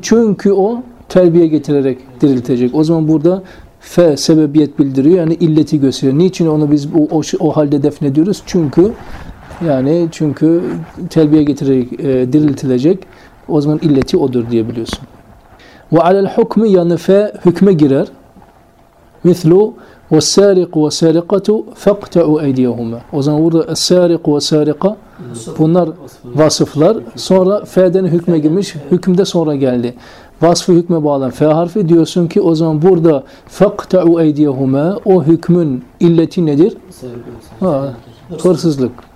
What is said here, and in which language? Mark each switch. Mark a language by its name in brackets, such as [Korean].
[Turkish] Çünkü o terbiye getirerek diriltecek. O zaman burada fe sebebiyet bildiriyor. Yani illeti gösteriyor. Niçin onu biz o halde defnediyoruz? Çünkü yani çünkü terbiye getirerek diriltilecek. O zaman illeti odur diyebiliyorsun. Ve alel hukmi yani fe hükme girer. [Arabic] Mislu والسارق والسارقة فاقطعوا أيديهما. [Turkish] O zaman burada [Arabic] السارق والسارقة [Turkish] bunlar vasıflar. Sonra F'den hükme girmiş. Hüküm de sonra geldi. Vasfı hükme bağlan F harfi diyorsun ki o zaman burada [Arabic] فاقطعوا أيديهما [Turkish] o hükmün illeti nedir? Hırsızlık.